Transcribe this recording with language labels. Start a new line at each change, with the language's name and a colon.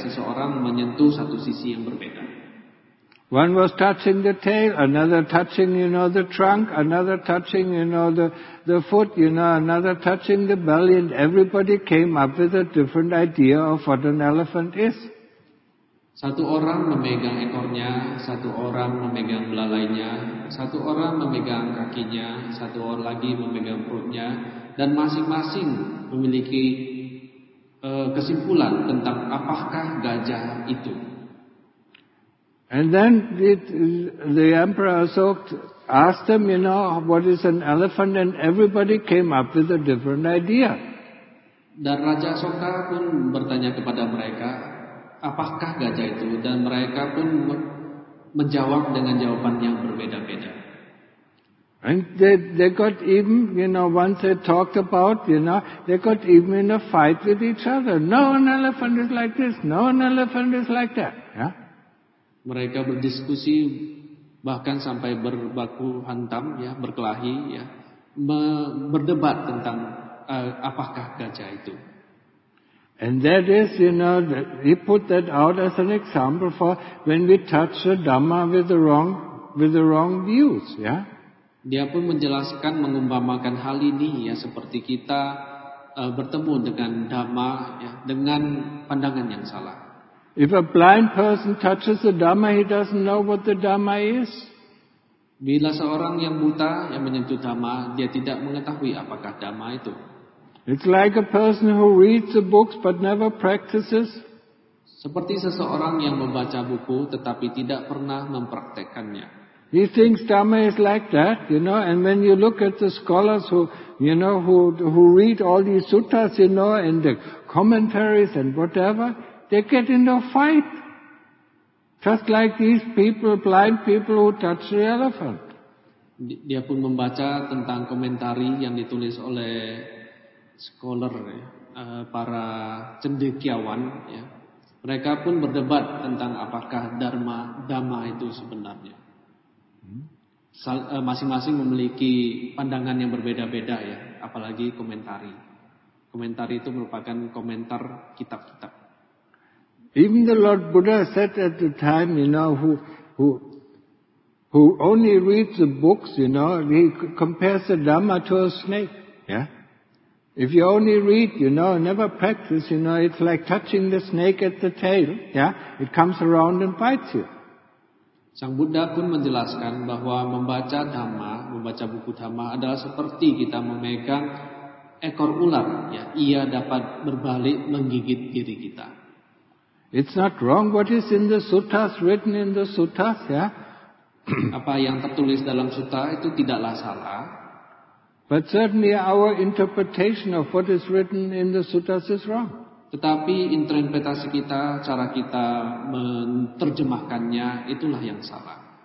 Indonesian: Seseorang menyentuh satu sisi yang berbeda.
English: One was touching the tail, another touching, you know, the trunk, another touching, you know, the foot, you know, another touching the belly, and everybody came up with a different idea of what an elephant is.
Indonesian: Satu orang memegang ekornya, satu orang memegang belalainya, satu orang memegang kakinya, satu orang lagi memegang perutnya, dan masing-masing memiliki kesimpulan tentang apakah gajah itu.
English: And then the Emperor Ashoka asked them, you know, what is an elephant, and everybody came up with a different idea.
Indonesian: Dan Raja Ashoka pun bertanya kepada mereka, apakah gajah itu? Dan mereka pun menjawab dengan jawaban yang berbeda-beda.
English: And they got even, you know, once they talked about, you know, they got even in a fight with each other. No, an elephant is like this. No, an elephant is like that. Yeah.
Indonesian: Mereka berdiskusi bahkan sampai berbaku hantam, ya, berkelahi, ya, berdebat tentang apakah gajah itu.
English: And that is, you know, he put that out as an example for when we touch the Dhamma with the wrong views, ya.
Indonesian: Dia pun menjelaskan, mengumpamakan hal ini, ya, seperti kita bertemu dengan Dhamma, ya, dengan pandangan yang salah.
English: If a blind person touches the Dhamma, he doesn't know what the Dhamma is.
Indonesian: Bila seorang yang buta yang menyentuh Dhamma, dia tidak mengetahui apakah Dhamma itu.
English: It's like a person who reads the books but never practices.
Indonesian: Seperti seseorang yang membaca buku tetapi tidak pernah mempraktekannya.
English: He thinks Dhamma is like that, you know, and when you look at the scholars who, you know, who read all these suttas, you know, and the commentaries and whatever, they get into a fight. Just like these people, blind people who touch the elephant.
Indonesian: Dia pun membaca tentang komentari yang ditulis oleh scholar, para cendekiawan, ya, mereka pun berdebat tentang apakah dharma dhamma itu sebenarnya. Masing-masing memiliki pandangan yang berbeda-beda, ya, apalagi komentari. Komentari itu merupakan komentar kitab-kitab.
English: Even the Lord Buddha said at the time, you know, who only reads the books, you know, he compares the Dhamma to a snake. Yeah. If you only read, you know, never practice, you know, it's like touching the snake at the tail. Yeah. It comes around and bites you.
Indonesian: Sang Buddha pun menjelaskan bahwa membaca Dhamma, membaca buku Dhamma adalah seperti kita memegang ekor ular. Ya, ia dapat berbalik menggigit diri kita.
English: It's not wrong what is in the suttas, written in the suttas, ya.
Indonesian: Apa yang tertulis dalam sutta itu tidaklah salah.
English: But certainly our interpretation of what is written in the suttas is wrong.
Indonesian: Tetapi interpretasi kita, cara kita menerjemahkannya, itulah yang salah.